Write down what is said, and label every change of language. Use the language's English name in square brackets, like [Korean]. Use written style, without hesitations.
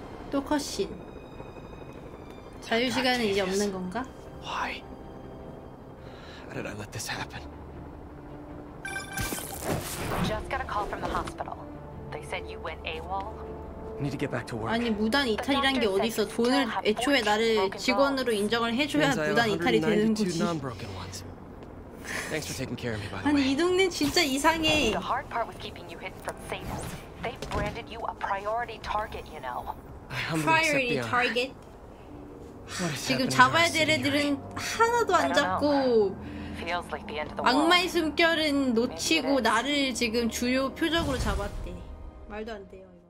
[Korean] 또 컷신. 자유 시간은 이제 없는 건가? [English] Why? How did I let this happen? Just got a call from the hospital. They said you went AWOL. Need to get back to work. [Korean] 아니, 무단 이탈이란 게 어디 있어? 돈을 애초에 나를 직원으로 인정을 해 줘야 무단 이탈이 되는 거지. [English] Thanks for taking care of me, by the way. [Korean] 아니, 이 동네 진짜 이상해. [English] The hard part was keeping you hidden from Sable. They branded you a priority target, you know. Priority target. [Korean] 지금 잡아야 될 애들은 하나도 안 잡고 악마의 숨결은 놓치고 나를 지금 주요 표적으로 잡았대. 말도 안 돼요.